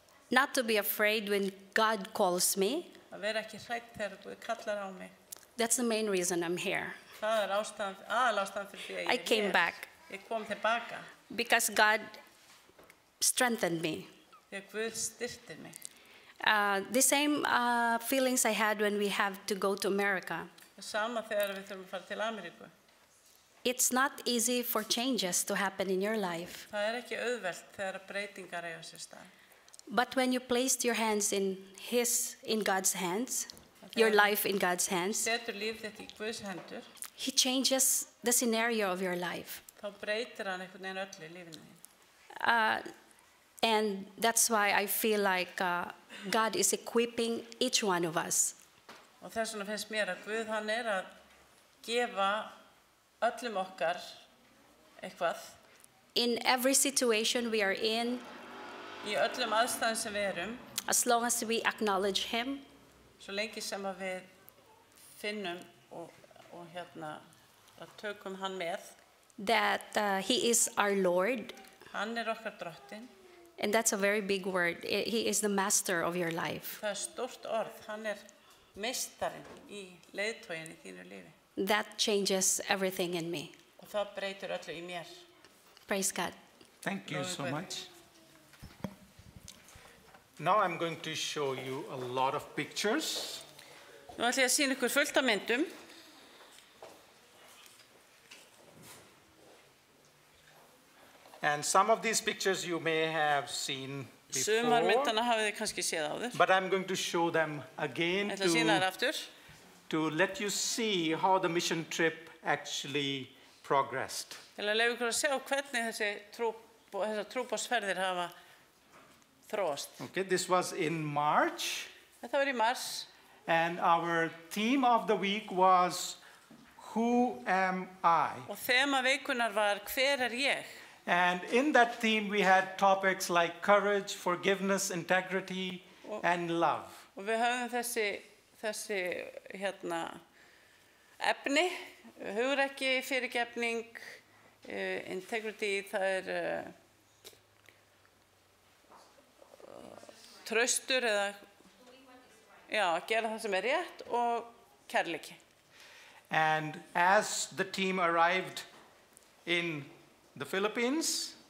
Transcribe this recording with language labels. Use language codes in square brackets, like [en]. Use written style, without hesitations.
[en] Not to be afraid when God calls me. [is] Að vera ekki hrædd þegar Guð kallar á mig. [en] That's the main reason I'm here. [is] Það ástæðan fyrir því að ég [en] I came back. [is] Ég kom tilbaka. [en] Because God strengthened me. [is] Þegar Guð styrkti mig. [en] The same feelings I had when we have to go to America. [is] Sama þegar við þurfum að fara til Ameríku. [en] It's not easy for changes to happen in your life. [is] Það ekki auðvelt þegar breytingar eiga sér stað. [en] But when you placed your hands in God's hands, your life in God's hands, [is] setur líf þitt í Guðs hendur, [en] He changes the scenario of your life. [is] Þá breytir hann einhvern veginn öllu í lífinu. [en] And that's why I feel like God is equipping each one of us. [is] Og þess vegna finnst mér að Guð hann að gefa öllum okkar eitthvað. [en] In every situation we are in, [is] í öllum aðstæðum sem við erum, [en] as long as we acknowledge him, [is] svo lengi sem að við finnum og hérna að tökum hann með, [en] that he is our Lord, [is] hann okkar drottinn, [en] and that's a very big word, he is the master of your life, [is] það stórt orð, hann meistarinn í leiðtoginn í þínu lífi, [en] that changes everything in me, [is] og það breytir öllu í mér. [en] Praise God. Thank you so much. Now I'm going to show you a lot of pictures. [is] Nú ætla ég að sýna ykkur fullt af myndum. [en] And some of these pictures you may have seen before. [is] Sumar myndana hafið þið kannski séð áður. [en] But I'm going to show them again to let you see how the mission trip actually progressed. [is] Til að leyfa ykkur að sjá hvernig þessar trúboðsferðir hafa Thrust. [en] Okay, this was in March. [is] Þetta var í mars. [en] And our theme of the week was Who am I? [is] Og þema vikunnar var Hver ég? [en] And in that theme we had topics like courage, forgiveness, integrity and love. [is] Og við höfðum þessi hérna efni, hugrekki, fyrirgefning, integrity, það traustur eða ja gera það sem rétt og kærleiki. [en] And as the team arrived in the Philippines,